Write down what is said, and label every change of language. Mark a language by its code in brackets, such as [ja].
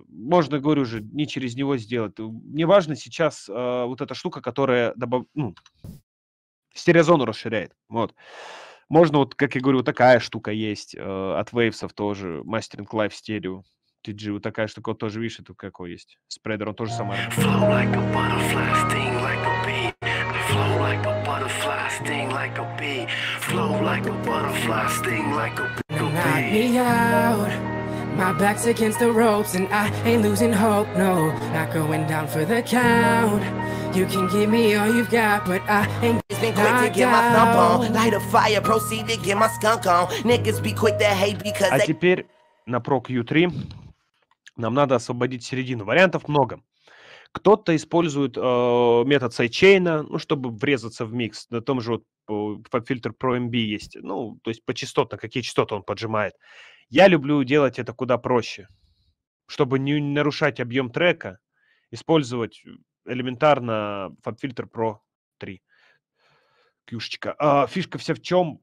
[ru] Можно, говорю же, не через него сделать. Неважно сейчас вот эта штука, которая стереозону расширяет, вот. Можно, вот, как я говорю, вот такая штука есть от Waves тоже, Mastering Live Stereo. TG, вот такая штука, вот тоже видишь, это какой есть. Спредер, он тоже самый. [en] Flow like a butterfly, sting like a bee. Flow like a butterfly, sting like a bee. Flow like a butterfly, sting like a bee. Knock me out. My back's against the ropes and I ain't losing hope, no. Not going down for the count. You can give me all you've got, but I ain't. It's been quick to get my thump on. Light a fire, proceed to get my skunk on. Niggas be quick to hate because they... [ru] А теперь... На Pro Q3 нам надо освободить середину. Вариантов много. Кто-то использует метод сайдчейна, ну, чтобы врезаться в микс. На том же вот фильтр Pro MB есть. Ну, то есть по частотам, какие частоты он поджимает. Я люблю делать это куда проще. Чтобы не нарушать объем трека, использовать элементарно фабфильтр Pro 3. Кьюшечка. Фишка вся в чем?